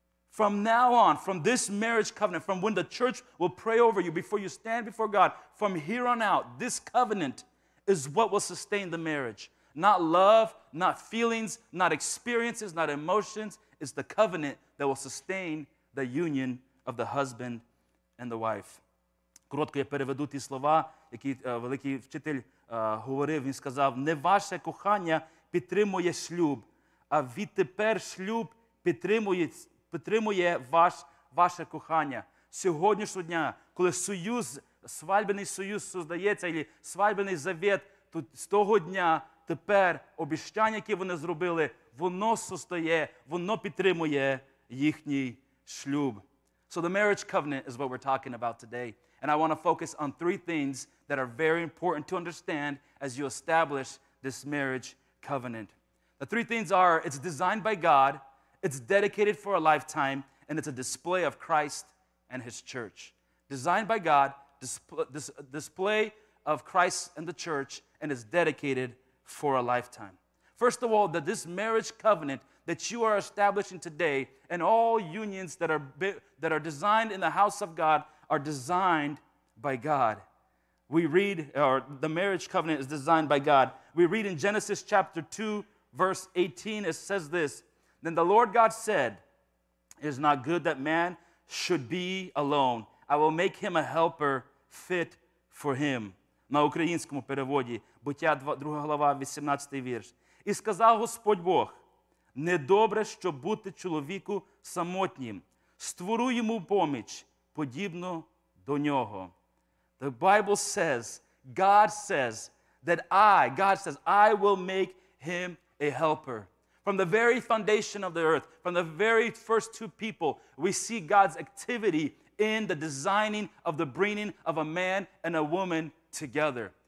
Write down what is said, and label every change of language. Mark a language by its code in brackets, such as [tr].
[en] From now on, from this marriage covenant, from when the church will pray over you, before you stand before God, from here on out, this covenant is what will sustain the marriage. Not love, not feelings, not experiences, not emotions. It's the covenant that will sustain the union of the husband and the wife. [uk] Коротко я переведу ті слова, які великий вчитель говорив. Він сказав, не ваше кохання підтримує шлюб, а відтепер шлюб підтримує ваше кохання. Сьогоднішнього дня, коли союз, свадебний союз создається, або свадебний завет, то з того дня тепер обіцяння, яке вони зробили, воно состоє, воно підтримує їхній шлюб. [en] So the marriage covenant is what we're talking about today. And I want to focus on three things that are very important to understand as you establish this marriage covenant. The three things are, it's designed by God, it's dedicated for a lifetime, and it's a display of Christ and His church. Designed by God, display of Christ and the church, and it's dedicated for a lifetime. First of all, that this marriage covenant that you are establishing today and all unions that are designed in the house of God are designed by God. We read, or the marriage covenant is designed by God. We read in Genesis chapter 2, verse 18, it says this, then the Lord God said, it is not good that man should be alone. I will make him a helper fit for him. [uk] На українському переводі, Буття 2 глава, 18 вірш. І сказав Господь Бог, недобре, щоб бути чоловіку самотнім. Створу йому поміч, подібно до нього. [en] The Bible says, God says, that I will make him a helper. From the very foundation of the earth, from the very first two people, we see God's activity in the designing of the bringing of a man and a woman together.